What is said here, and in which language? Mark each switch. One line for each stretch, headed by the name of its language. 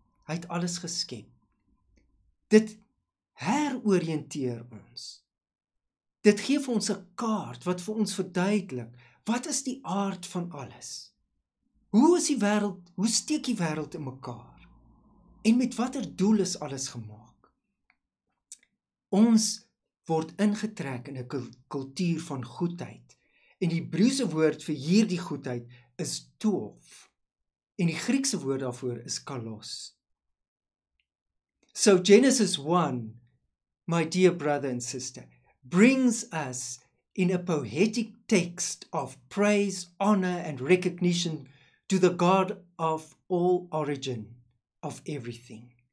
Afrikaans: Hy het alles geskep. Dit heroriënteer ons. Dit gee vir ons 'n kaart wat vir ons verduidelik, wat is die aard van alles? Hoe is die wêreld, hoe steek die wêreld in mekaar? En met watter doel is alles gemaak? Ons word ingetrek in 'n kultuur van goedheid. En die Hebreëse woord vir hierdie goedheid is tov. En die Griekse woord daarvoor is kalos.
English: So Genesis 1, my dear brother and sister, brings us in a poetic text of praise, honor and recognition to the God of all origin of everything.